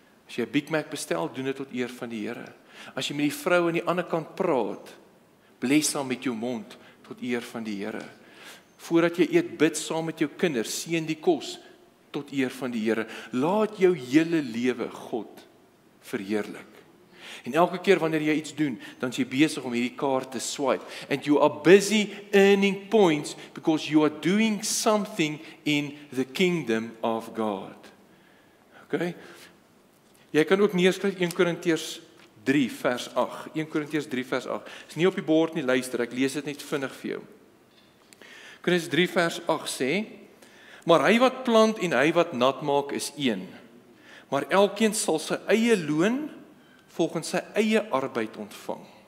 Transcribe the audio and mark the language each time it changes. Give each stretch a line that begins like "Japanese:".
Afrikaans: As jy Big Mac bestel, doen het tot eer van die Here. As jy met die vrou aan die ander kant praat, bless haar met jou mond tot eer van die Here. Voordat jy eet, bid saam met jou kinders, seën die kos, tot eer van die Here. Laat jou hele lewe God verheerlik. En elke keer wanneer jy iets doen, dan is jy bezig om hierdie kaart te swipe.
English: And you are busy earning points because you are doing something in the kingdom of God. Okay?
Afrikaans: Jy kan ook neerskryf 1 Korintiërs 3 vers 8. 1 Korintiërs 3 vers 8. Is nie op die bord nie, luister, ek lees dit net vinnig vir jou. Korintiërs 3 vers 8 sê, maar hy wat plant en hy wat nat maak is een. Maar elkeen sal sy eie loon volgens sy eie arbeid ontvang.